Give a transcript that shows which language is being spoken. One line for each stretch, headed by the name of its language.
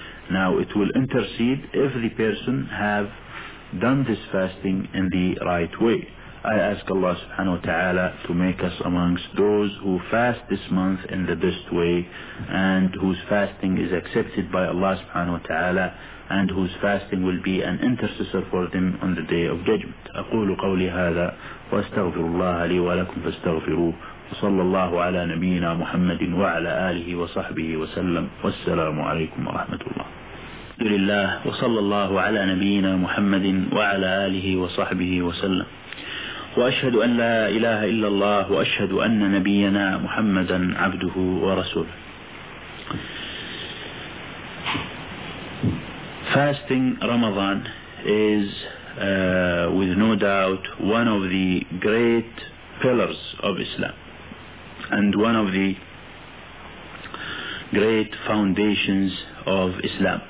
English: Now, it will intercede if the person have done this fasting in the right way. I ask Allah subhanahu wa ta'ala to make us amongst those who fast this month in the best way, and whose fasting is accepted by Allah subhanahu wa ta'ala, and whose fasting will be an intercessor for them on the day of judgment.
Arabic: أقول قولي هذا واستغفر الله لي ولكم فاستغفروه وصلى الله على نبينا محمد وعلى آله وصحبه وسلم والسلام عليكم ورحمة الله. الحمد لله وصلى الله على نبينا محمد وعلى آله وصحبه وسلم. وأشهد أن لا إله إلا الله وأشهد أن نبينا محمدا عبده ورسوله.
English: Fasting Ramadan is with no doubt one of the great pillars of Islam and one of the great foundations of Islam.